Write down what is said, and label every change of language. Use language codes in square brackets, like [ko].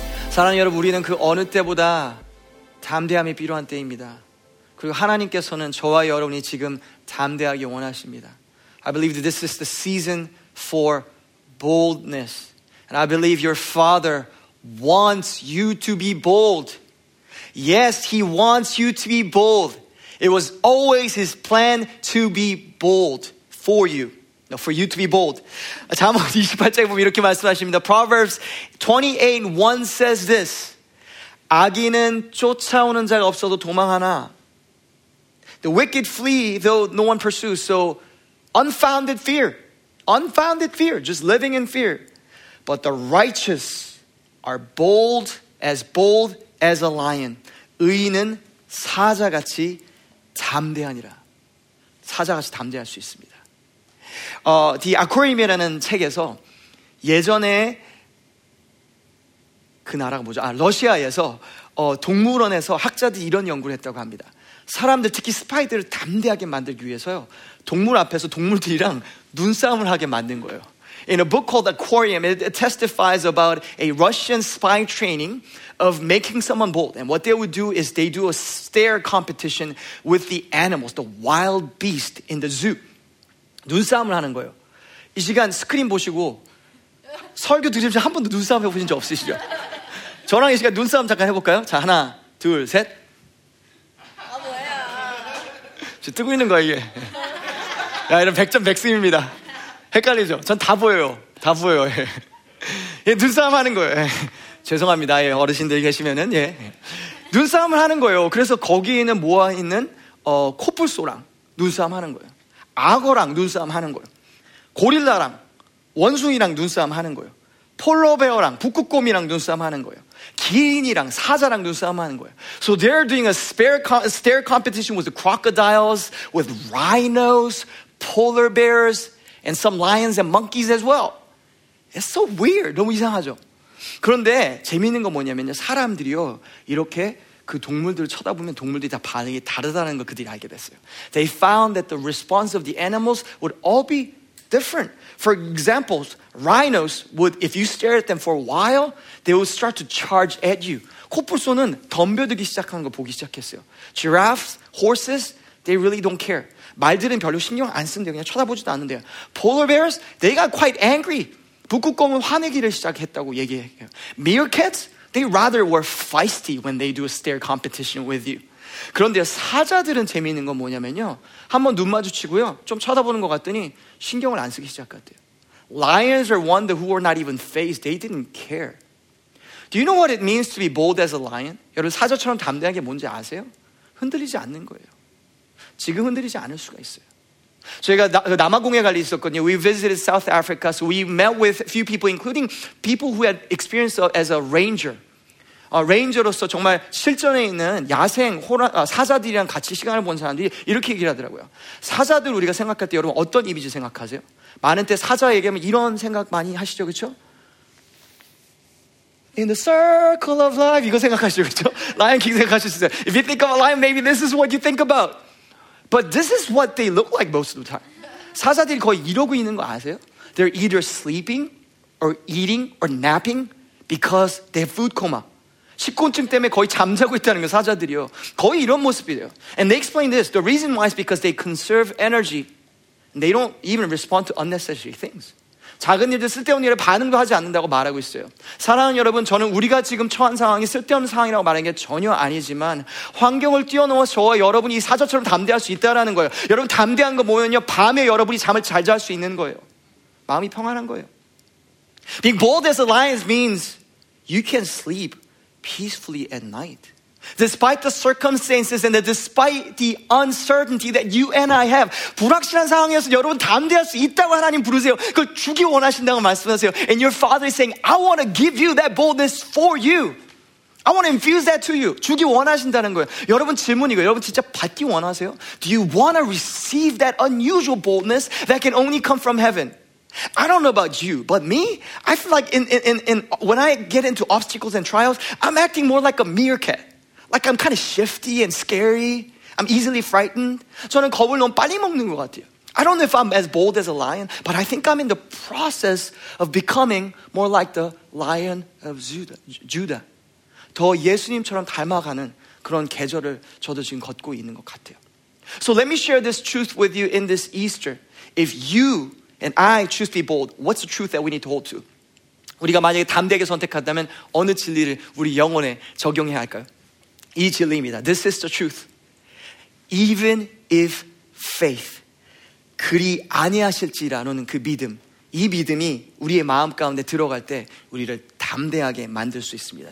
[ko] 사랑하는 여러분, 우리는 그 어느 때보다 담대함이 필요한 때입니다. 그리고 하나님께서는 저와 여러분이 지금 담대하게 원하십니다. [en] I believe that this is the season for boldness. And I believe your father wants you to be bold. Yes, he wants you to be bold. It was always his plan to be bold for you. No, for you to be bold. [ko] 잠언 28장에 보면 이렇게 말씀하십니다. [en] Proverbs 28:1 says this. [ko] 악인은 쫓아오는 자가 없어도 도망하나. [en] The wicked flee, though no one pursues. So, unfounded fear. Unfounded fear. Just living in fear. But the righteous are bold as a lion. [ko] 의인은 사자같이 담대하니라. 사자같이 담대할 수 있습니다. The Aquarium이라는 책에서 예전에 그 나라가 뭐죠? 아, 러시아에서 동물원에서 학자들이 이런 연구를 했다고 합니다. 사람들, 특히 스파이들을 담대하게 만들기 위해서요. 동물 앞에서 동물들이랑 눈싸움을 하게 만든 거예요. [en] In a book called Aquarium, it testifies about a Russian spy training of making someone bold. And what they would do is they do a stare competition with the animals, the wild beast in the zoo. [ko] 눈싸움을 하는 거예요. 이 시간 스크린 보시고 설교 들으면서 한 번도 눈싸움 해보신 적 없으시죠? 저랑 이 시간 눈싸움 잠깐 해볼까요? 자, 하나, 둘, 셋. 아, 뭐야. 지금 뜨고 있는 거야, 이게. 야, 이런 백전 백승입니다. 헷갈리죠? 전 다 보여요. 다 보여요. 예. 예, 눈싸움 하는 거예요. 예. 죄송합니다. 예, 어르신들 계시면은, 예. 눈싸움을 하는 거예요. 그래서 거기에는 모아있는, 코뿔소랑 눈싸움 하는 거예요. 악어랑 눈싸움 하는 거예요. 고릴라랑 원숭이랑 눈싸움 하는 거예요. 폴로베어랑 북극곰이랑 눈싸움 하는 거예요. 기린이랑 사자랑 눈싸움 하는 거예요. [en] So they're doing a stare competition with the crocodiles, with rhinos, polar bears, and some lions and monkeys as well. It's so weird. [ko] 너무 이상하죠? 그런데 재미있는 건 뭐냐면요. 사람들이요. 이렇게 그 동물들을 쳐다보면 동물들이 다 반응이 다르다는 걸 그들이 알게 됐어요. [en] They found that the response of the animals would all be different. For example, rhinos would, if you stare at them for a while, they would start to charge at you. [ko] 코뿔소는 덤벼들기 시작하는 걸 보기 시작했어요. [en] Giraffes, horses, they really don't care. [ko] 말들은 별로 신경 안 쓴대요. 그냥 쳐다보지도 않는데요. [en] Polar bears, they got quite angry. [ko] 북극곰은 화내기를 시작했다고 얘기해요. [en] Meerkats, they rather were feisty when they do a stare competition with you. [ko] 그런데 사자들은 재미있는 건 뭐냐면요. 한번 눈 마주치고요. 좀 쳐다보는 것 같더니 신경을 안 쓰기 시작했대요. [en] Lions are one who were not even fazed. They didn't care. Do you know what it means to be bold as a lion? [ko] 여러분, 사자처럼 담대한 게 뭔지 아세요? 흔들리지 않는 거예요. 지금 흔들리지 않을 수가 있어요. 저희가 남아공에 갈 일이 있었거든요. [en] We visited South Africa, so we met with a few people, including people who had experience as a ranger. [ko] 레인저로서 정말 실전에 있는 야생 사자들이랑 같이 시간을 본 사람들이 이렇게 얘기를 하더라고요. 사자들 우리가 생각할 때 여러분 어떤 이미지 생각하세요? 많은 때 사자 얘기하면 이런 생각 많이 하시죠, 그렇죠? [en] In the circle of life, [ko] 이거 생각하시죠, 그렇죠? 라이언 킹 생각하실 수 있어요. [en] If you think of a lion, maybe this is what you think about. But this is what they look like most of the time. [ko] 사자들이 거의 이러고 있는 거 아세요? [en] They're either sleeping or eating or napping because they have food coma. [ko] 식곤증 때문에 거의 잠자고 있다는 거예요, 사자들이요. 거의 이런 모습이에요. [en] And they explain this. The reason why is because they conserve energy. They don't even respond to unnecessary things. [ko] 작은 일들, 쓸데없는 일에 반응도 하지 않는다고 말하고 있어요. 사랑하는 여러분, 저는 우리가 지금 처한 상황이 쓸데없는 상황이라고 말하는 게 전혀 아니지만 환경을 뛰어넘어 저와 여러분이 이 사자처럼 담대할 수 있다는 거예요. 여러분, 담대한 거 뭐냐면요. 밤에 여러분이 잠을 잘 잘 수 있는 거예요. 마음이 평안한 거예요. [en] Being bold as a lion means you can sleep peacefully at night. Despite the circumstances and despite the uncertainty that you and I have, [ko] 불확실한 상황에서 여러분 담대할 수 있다고 하나님 부르세요. 그 주기 원하신다고 말씀하세요. [en] And your father is saying, I want to give you that boldness for you. I want to infuse that to you. [ko] 주기 원하신다는 거예요. 여러분 질문이고 여러분 진짜 받기 원하세요? [en] Do you want to receive that unusual boldness that can only come from heaven? I don't know about you, but me, I feel like in when I get into obstacles and trials, I'm acting more like a meerkat. Like I'm kind of shifty and scary. I'm easily frightened. [ko] 저는 겁을 너무 빨리 먹는 것 같아요. [en] I don't know if I'm as bold as a lion, but I think I'm in the process of becoming more like the lion of Judah. [ko] 더 예수님처럼 닮아가는 그런 계절을 저도 지금 걷고 있는 것 같아요. [en] So let me share this truth with you in this Easter. If you and I choose to be bold, what's the truth that we need to hold to? [ko] 우리가 만약에 담대하게 선택한다면 어느 진리를 우리 영혼에 적용해야 할까요? 이 진리입니다. [en] This is the truth. Even if faith, [ko] 그리 아니하실지라는 그 믿음, 이 믿음이 우리의 마음 가운데 들어갈 때 우리를 담대하게 만들 수 있습니다.